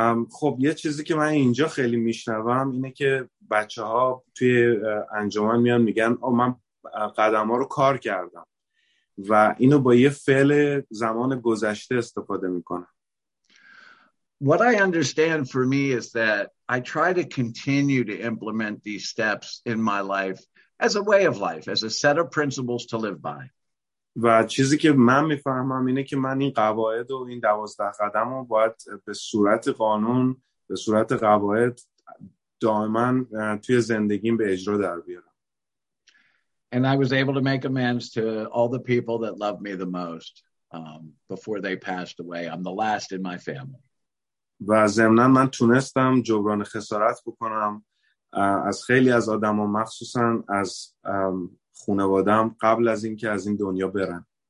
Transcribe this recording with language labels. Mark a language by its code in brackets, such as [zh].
[fa] خب یه چیزی که من اینجا خیلی میشنوم اینه که بچه ها توی انجمن میان میگن من قدم ها رو کار کردم و اینو با یه فعل زمان گذشته استفاده میکنم. [en] What I understand for me is that I try to continue to implement these steps in my life as a way of life, as a set of principles to live by. [fa] و چیزی که من میفهمم اینه که من این قواعد و این 12 قدم رو باید به صورت قانون، به صورت قواعد دائما توی زندگیم به اجرا در بیارم. [en] And I was able to make amends to all the people that loved me the most before they passed away. I'm the last in my family. [fa] و ضمنا من تونستم جبران خسارت بکنم از خیلی از آدم ها، مخصوصا از خانواده‌ام قبل از این که از این دنیا برن.